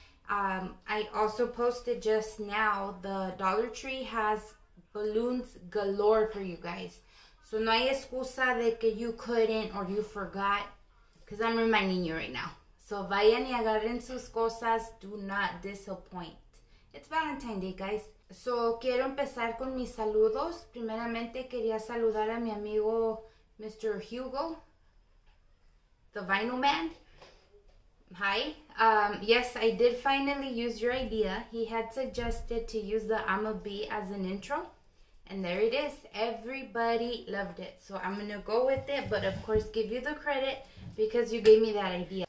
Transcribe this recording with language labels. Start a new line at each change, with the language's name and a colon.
English: I also posted just now, the Dollar Tree has balloons galore for you guys. So
Spanish: no hay excusa de que
English: you couldn't or you forgot, because I'm reminding you right now.
Spanish: So vayan y agarren sus cosas,
English: do not disappoint. It's Valentine's Day, guys.
Spanish: So quiero empezar con mis saludos. Primeramente quería saludar a mi amigo Mr.
English: Hugo, the vinyl man. Hi. Yes, I did finally use your idea. He had suggested to use the I'ma be as an intro. And there it is. Everybody loved it. So I'm going to go with it, but of course give you the credit because you gave me that idea.